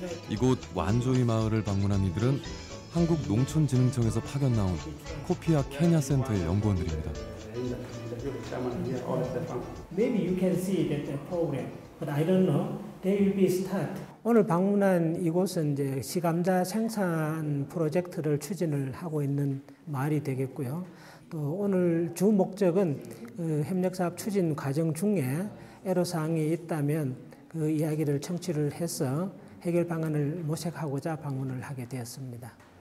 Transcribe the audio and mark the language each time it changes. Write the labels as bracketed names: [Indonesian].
[Korean] 이곳 완조이 마을을 방문한 이들은 한국농촌진흥청에서 파견 나온 코피아 케냐 센터의 연구원들입니다. [English] Maybe you can see that program, but I don't know. They will be start. [Korean] 오늘 방문한 이곳은 이제 시감자 생산 프로젝트를 추진을 하고 있는 마을이 되겠고요. 또 오늘 주 목적은 그 협력사업 추진 과정 중에 애로사항이 있다면 그 이야기를 청취를 해서 해결 방안을 모색하고자 방문을 하게 되었습니다.